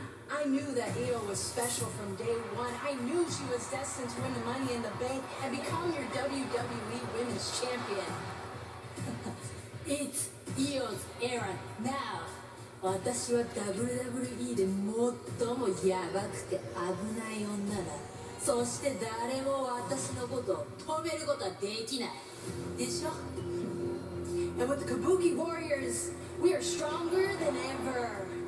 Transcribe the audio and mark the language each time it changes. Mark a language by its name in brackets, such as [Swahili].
[English] I knew that Io was special from day one. I knew she was destined to win the Money in the Bank and become your WWE Women's Champion. It's Io's era now. [Japanese] 私は WWE で最もヤバくて危ない女だ。そして誰も私のことを止めることはできない。でしょ? [English] And with the Kabuki Warriors, we are stronger than ever.